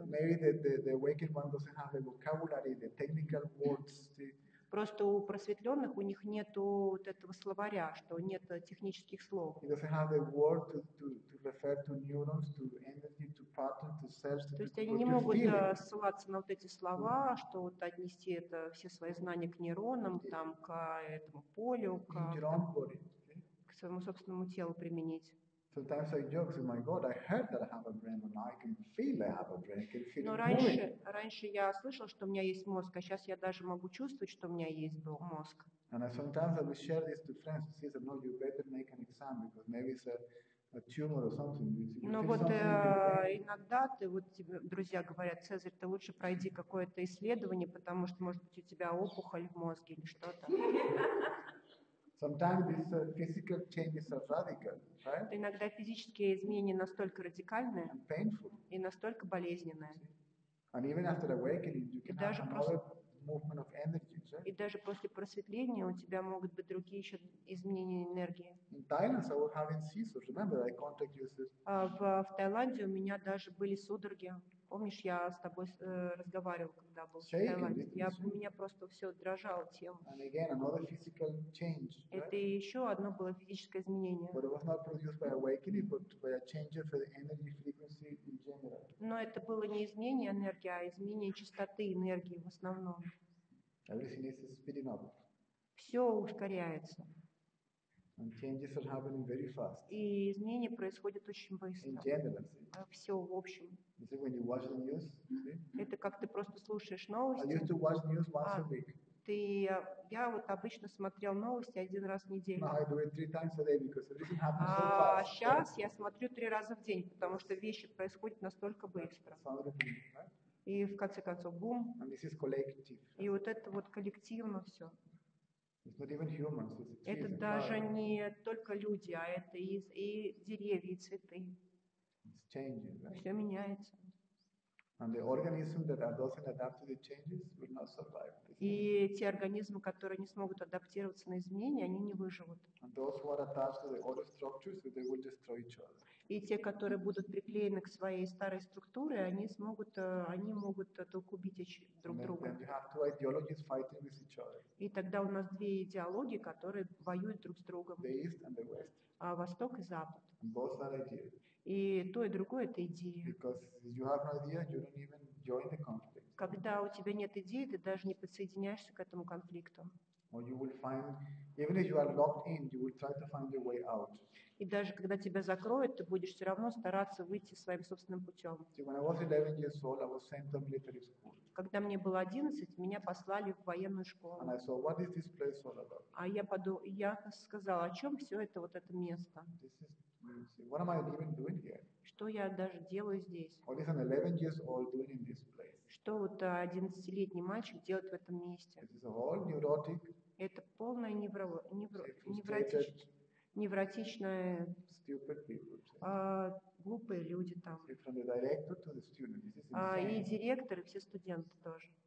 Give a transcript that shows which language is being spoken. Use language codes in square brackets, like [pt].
[en] Maybe the awakened one doesn't have the vocabulary, the technical words. See. [ru] Просто у просветленных у них нет вот этого словаря, что нет технических слов. [en] He doesn't have the word to refer to neurons, to energy, to pattern, to cells. [ru] То есть они не могут ссылаться на вот эти слова, что вот отнести это все свои знания к нейронам, там к этому полю, к своему собственному телу применить. [en] Sometimes I joke, say, "My God, I heard that I have a brain, and I can feel I have a brain, I can feel [ru] Но [en] it [ru] раньше, [en] moving." [ru] Раньше я слышал, что у меня есть мозг, а сейчас я даже могу чувствовать, что у меня есть был мозг. [en] And sometimes I will share this to friends. She says, "No, you better make an exam because maybe it's a tumor or something." You [ru] Но вот иногда ты вот тебе друзья говорят, Цезарь, ты лучше пройди какое-то исследование, потому что может быть у тебя опухоль в мозге или что-то. [en] Sometimes these physical changes are radical, right? [ru] Иногда физические изменения настолько радикальны [en] and painful. [ru] И настолько болезненные. [en] And even after awakening, you can have another movement of energy, right? [ru] И даже после просветления у тебя могут быть другие еще изменения энергии. [en] In Thailand, I was having seizures. Remember, I contact you. [ru] В Таиланде у меня даже были судороги. Помнишь, я с тобой разговаривал, когда был в Таиланде. У меня просто все дрожало тело. [en] And again, another physical change, right? [ru] Это еще одно было физическое изменение. [en] But it was not produced by awakening, but by a change of the energy frequency in general. [ru] Но это было не изменение энергии, а изменение частоты энергии в основном. [en] Everything is speeding up. [ru] Все ускоряется. [en] And changes are happening very fast. [ru] И изменения происходят очень быстро. [en] In general, [ru] все в общем. [en] Is it when you watch the news? See? [ru] Это как ты просто слушаешь новости. [en] I used to watch news once a week. [ru] Я вот обычно смотрел новости один раз в неделю. [en] Now I do it three times a day because everything happens so fast. [ru] А сейчас я смотрю три раза в день, потому что вещи происходят настолько быстро. И в конце концов бум. [en] And this is collective. [ru] И вот это вот коллективно все. [en] It's not even humans, it's trees [ru] это даже не только люди, а это и деревья, и цветы. [en] It's changing, right? [ru] Все меняется. [en] And the organism that doesn't adapt to the changes will not survive. [ru] И те организмы, которые не смогут адаптироваться на изменения, они не выживут. [en] And those who are attached to the old structures, they will destroy each other. [ru] И те, которые будут приклеены к своей старой структуре, они могут только убить друг друга. [en] And you have two ideologies fighting with each other. [ru] И тогда у нас две идеологии, которые воюют друг с другом. [en] The East and the West. [ru] А Восток и Запад. [en] And both are ideas. [ru] И то, и другое – это идеи. [en] Because you have no idea, you don't even join the conflict. [ru] Когда у тебя нет идеи, ты даже не подсоединяешься к этому конфликту. [en] Or you will find, even if you are locked in, you will try to find your way out. [ru] И даже когда тебя закроют, ты будешь все равно стараться выйти своим собственным путем. [en] See, when I was 11 years old, I was sent to military school. [ru] Когда мне было 11, меня послали в военную школу. [en] And I saw, what is this place all about? [ru] А я сказала, о чем все это вот это место? [en] This is, see, what am I even doing here? [ru] Что я даже делаю здесь? [en] What is an 11 years old doing in this place? [ru] Что вот 11-летний мальчик делает в этом месте? [en] This is a whole neurotic. [ru] Это полное невротичное. [en] Stupid people. [ru] Глупые люди там. [en] See, from the director to the student. This is insane. [ru] И директор, и все студенты тоже.